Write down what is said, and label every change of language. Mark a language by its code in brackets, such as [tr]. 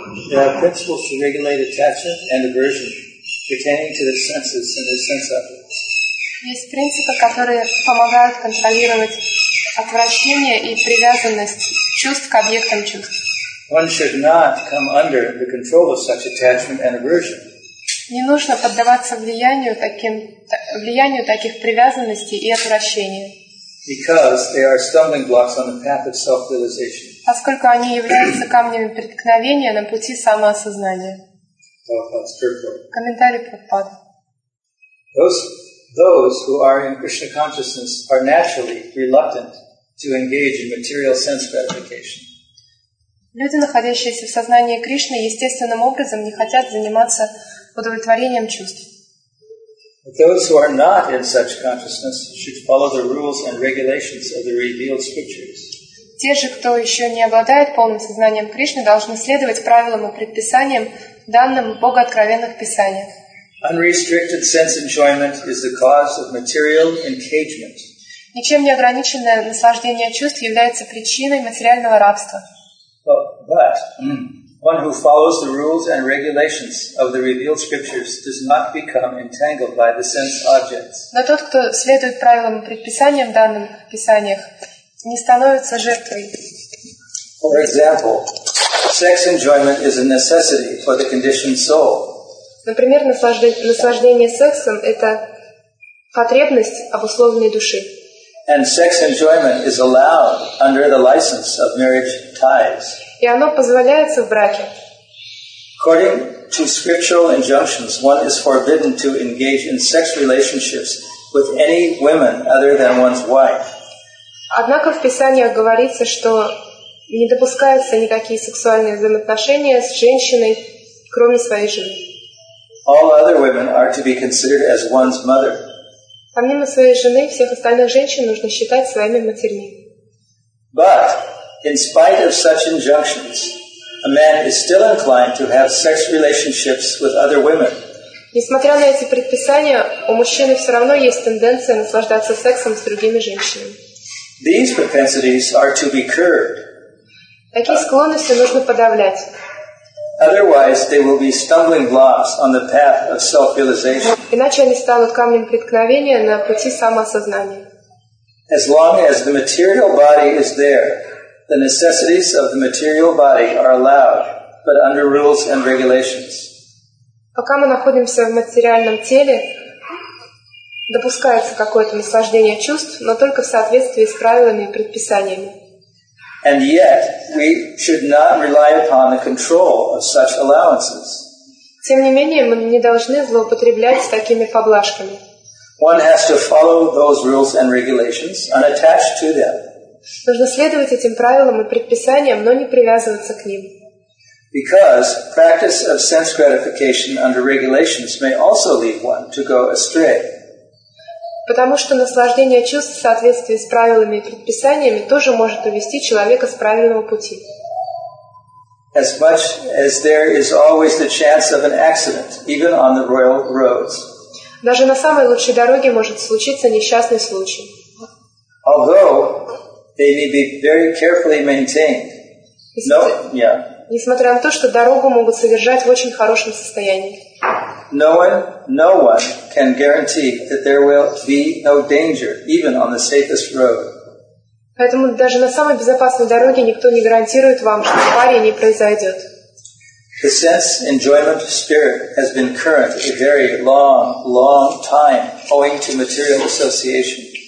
[en] There are principles to regulate attachment and aversion pertaining to the senses and their sense objects. [ru] Есть принципы, которые помогают контролировать отвращение и привязанность чувств к объектам чувств. [en] One should not come under the control of such attachment and aversion. [ru] Не нужно поддаваться влиянию таких привязанностей и отвращения. [en] Because they are stumbling blocks on the path of self-realization. [ru] Поскольку они являются камнями преткновения на пути самоосознания. [en] Prabhupada's purport. [ru] Комментарий Прабхупады. [en] Those who are in Krishna consciousness are naturally reluctant to engage in material sense gratification. [ru] Люди, находящиеся в сознании Кришны, естественным образом не хотят заниматься удовлетворением чувств. [en] But those who are not in such consciousness should follow the rules and regulations of the revealed scriptures. [ru] Те же, кто еще не обладает полным сознанием Кришны, должны следовать правилам и предписаниям, данным в богооткровенных писаниях. [en] Unrestricted sense enjoyment is the cause of material engagement. [ru] Ничем не ограниченное наслаждение чувств является причиной материального рабства. [en] But one who follows the rules and regulations of the revealed scriptures does not become entangled by the sense objects. [ru] Но тот, кто следует правилам и предписаниям, данным в писаниях, не становится жертвой. [en] For example, sex enjoyment is a necessity for the conditioned soul. [ru] Например, наслаждение сексом – это потребность обусловленной души. [en] And sex enjoyment is allowed under the license of marriage ties. [ru] И оно позволяется в браке. [en] According to scriptural injunctions, one is forbidden to engage in sex relationships with any woman other than one's wife. [ru] Однако в Писаниях говорится, что не допускаются никакие сексуальные взаимоотношения с женщиной, кроме своей жены. [en] All other women are to be considered as one's mother. [ru] Помимо своей жены, всех остальных женщин нужно считать своими матерями. [en] But in spite of such injunctions, a man is still inclined to have sex relationships with other women. [ru] Несмотря на эти предписания, у мужчины все равно есть тенденция наслаждаться сексом с другими женщинами. [en] These propensities are to be curbed. [ru] Такие склонности нужно подавлять. [en] Otherwise, they will be stumbling blocks on the path of self-realization. [ru] Иначе они станут камнем преткновения на пути самоосознания. [en] As long as the material body is there, the necessities of the material body are allowed, but under rules and regulations. [ru] Пока мы находимся в материальном теле, допускается какое-то наслаждение чувств, но только в соответствии с правилами и предписаниями. [en] And yet, we should not rely upon the control of such allowances. [ru] Тем не менее, мы не должны злоупотреблять такими поблажками. [en] One has to follow those rules and regulations unattached to them. [ru] Нужно следовать этим правилам и предписаниям, но не привязываться к ним. [en] Because practice of sense gratification under regulations may also lead one to go astray. [ru] Потому что наслаждение чувств в соответствии с правилами и предписаниями тоже может увести человека с правильного пути. [en] As much as there is always the chance of an accident, even on the royal roads. [ru] Даже на самой лучшей дороге может случиться несчастный случай. [en] Although they may be very carefully maintained. [ru] Несмотря на то, что дорогу могут содержать в очень хорошем состоянии. [en] No one can guarantee that there will be no danger, even on the safest road. [ru] Поэтому даже на самой безопасной дороге никто не гарантирует вам, что авария не произойдет. [en] The sense enjoyment spirit has been current a very long, long time, owing to material association.